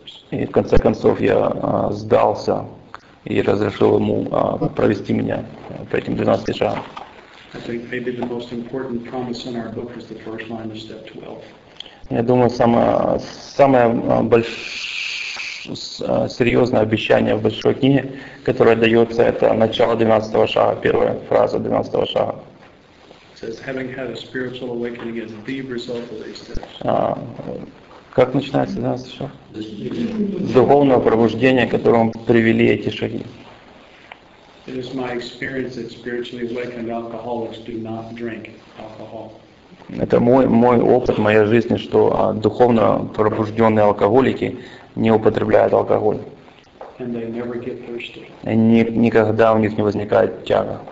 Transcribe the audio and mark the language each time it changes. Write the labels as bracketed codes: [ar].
[ru] И в конце концов я сдался и разрешил ему провести меня по этим 12 шагам. [en] I think maybe the most important promise in our book is the first line of step 12. [ru] Я думаю, самое серьезное обещание в большой книге, которое дается, это начало 12-го шага, первая фраза 12-го шага. [en] It says, having had a spiritual awakening is the result of these steps. [ru] Как начинается 12-й шаг? Духовное пробуждение, к которому привели эти шаги. [en] It is my experience that spiritually awakened alcoholics do not drink alcohol. [ru] Это мой опыт, моя жизнь, что духовно пробужденные алкоголики не употребляют алкоголь. [en] And they never get thirsty. [ru] Они никогда у них не возникает тяги.